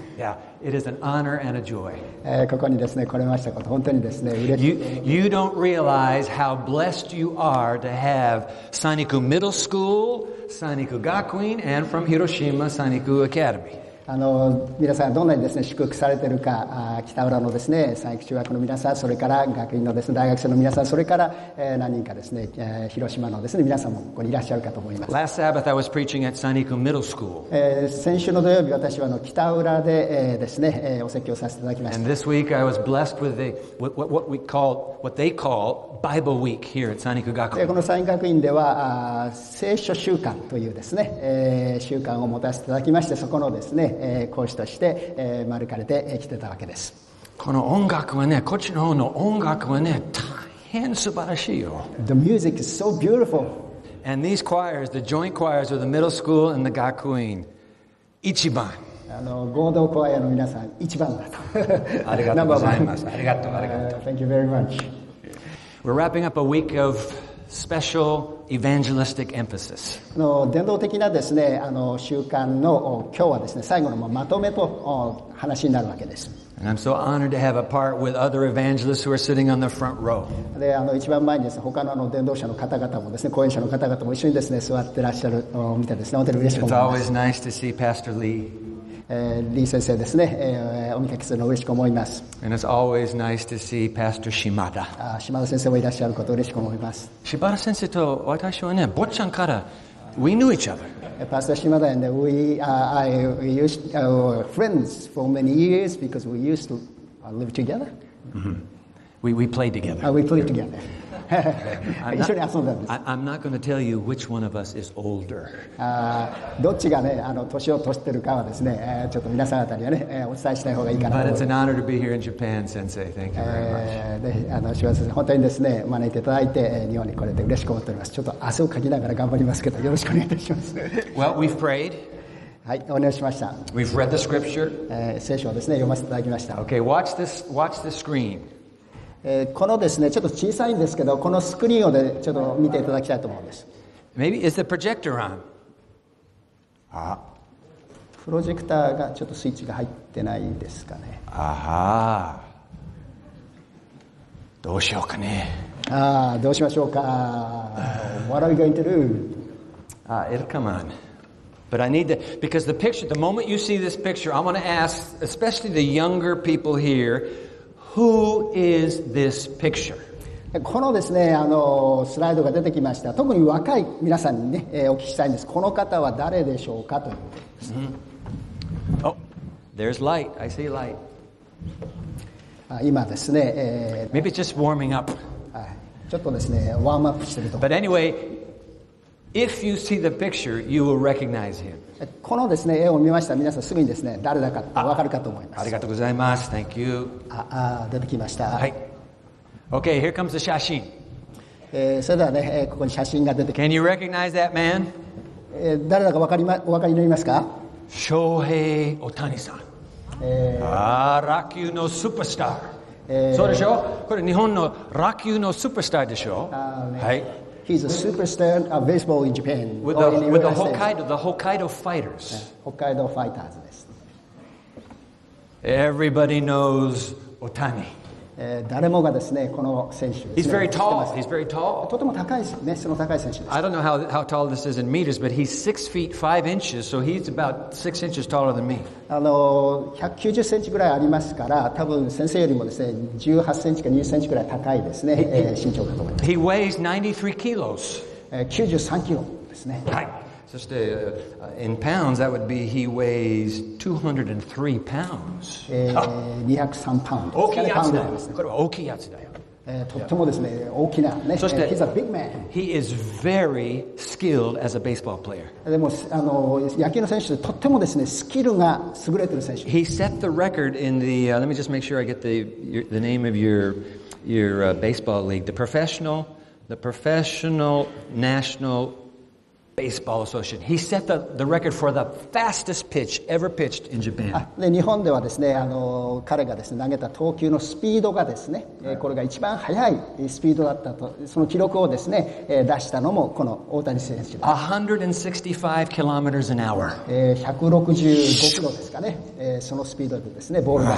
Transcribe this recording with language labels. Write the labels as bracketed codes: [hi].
[en] Yeah, it is an honor and a joy. [ja] ここにですね、来れましたこと、本当にですね、嬉しい。 [en] You don't realize how blessed you are to have 三陸 middle school,三陸学院 and from Hiroshima 三陸 Academy。 [ja] 皆さんどんなにですね祝福されているか、北浦のですね三陸中学の皆さん、それから学院のですね大学生の皆さん、それから、何人かですね、広島のですね皆さんもここにいらっしゃるかと思います。 [en] Last Sabbath I was preaching at 三陸 middle school、 [ja] 先週の土曜日私はの北浦で、ですね、お説教させていただきました。 [en] And this week I was blessed with the, what we call, what they callBible Week here at 三陸学院。 [ja] この三陸学院では聖書週間というですね、習慣を持たせていただきまして、そこのですね、講師として、招かれてきてたわけです。この音楽はね、こっちの方の音楽はね、大変素晴らしいよ。 [en] The music is so beautiful. And these choirs, the joint choirs of the middle school and the 学院、 [ja] 一番。合同コアヤの皆さん一番だと。ありがとうございます。ありがとう、ありがとう。 [en] Thank you very much. We're wrapping up a week of special evangelistic emphasis. [ja] 伝道的なですね、習慣の今日はですね、最後のまとめと話になるわけです。 [en] And I'm so honored to have a part with other evangelists who are sitting on the front row. [ja] で、一番前にですね、他の伝道者の方々もですね、講演者の方々も一緒にですね、座ってらっしゃるのを見てですね、本当に嬉しく思います。 [en] It's always nice to see Pastor Lee. [ja] 李先生ですね、お見かけするの嬉しく思います。 [en] And it's always nice to see Pastor Shimada. [ja] 島田先生もいらっしゃること嬉しく思います。島田先生と私はね、坊ちゃんから、 [en] we knew each other. Pastor Shimada and we, I used our friends for many years because we used to live together.、 Mm-hmm. We played together.、 We played together. I'm not going to tell you which one of us is older. [ja] どっちがね、年を取ってるかはですね、ちょっと皆さん方にはね、お伝えしたい方がいいかなと思います [en] But it's an honor to be here in Japan, Sensei. Thank you very much. [ja] 島田先生、本当にですね、招いていただいて、日本に来れて嬉しく思っております。ちょっと汗をかきながら頑張りますけど、よろしくお願いいたします。 [en] Well, we've prayed. [ja] はい、お願いしました。 [en] We've read the scripture. [ja] 聖書をですね、読ませていただきました。 [en] Okay, watch the screen. [ja] このですね、ちょっと小さいんですけど、このスクリーンをでちょっと見ていただきたいと思うんです。 [en] Maybe is the projector on? ああ。 [ja] プロジェクターがちょっとスイッチが入ってないですかね。ああ。どうしようかね。ああ、どうしましょうか。 [en] What are we going to do? Ah, it'll come on. But I need to, because the picture, the moment you see this picture, I want to ask, especially the younger people here,Who is this picture? [ja] このですね、スライドが出てきました。特に若い皆さんにね、お聞きしたいんです。この方は誰でしょうかという。 [en] Mm-hmm. Oh, there's light. I see light. [ja] 今ですね、 [en] Maybe just warming up. [ja] ちょっとですね、ワームアップしてると。 [en] But anyway, if you see the picture, you will recognize him. [ja] このですね、絵を見ました。皆さんすぐにですね、誰だか分かるかと思います。ありがとうございます。 [en] Thank you. [ja] 出てきました。 [en] はい。Okay, here comes the 写真。 [ja] それではね、ここに写真が出てきます。 [en] Can you recognize that man? [ja] 誰だか分かり、お分かりになりますか？翔平オタニさん。ラキューのスーパースター。そうでしょ？これ日本のラキューのスーパースターでしょ？ [en] はい。He's a superstar of baseball in Japan. With the Hokkaido Fighters. [ja] Hokkaido Fighters です。 [en] Everybody knows Otani. [ja] 誰もがですね、この選手。 [en] He's very tall. He's very tall. [ja] とても高いね、その高い選手です。 [en] I don't know how tall this is in meters, but he's 6 feet 5 inches, so he's about 6 inches taller than me. [ja] 190センチぐらいありますから、多分先生よりもですね、18センチか20センチぐらい高いですね、身長かと思います。 [en] He weighs 93 kilos. [ja] 93キロですね。はい。そして、 [en] in pounds, that would be, he weighs 203 pounds. [ja] 203パウンド。大きいやつだよ。これは大きいやつだよ。とってもですね、大きな、ね。そして、 [en] he's a big man. He is very skilled as a baseball player. [ja] でも、あの、野球の選手でとってもですね、スキルが優れてる選手。 [en] He set the record in the, let me just make sure I get the name of your baseball league, the professional national baseball association. He set the record for the fastest pitch ever pitched in Japan. [ja] で日本ではですね、あの彼がですね投げた投球のスピードがですね、 [en] right. [ja] これが一番速いスピードだったと、その記録をですね出したのもこの大谷選手です。 [en] 165 kilometers an hour. [ja] 165キロですかね、そのスピードでですねボールが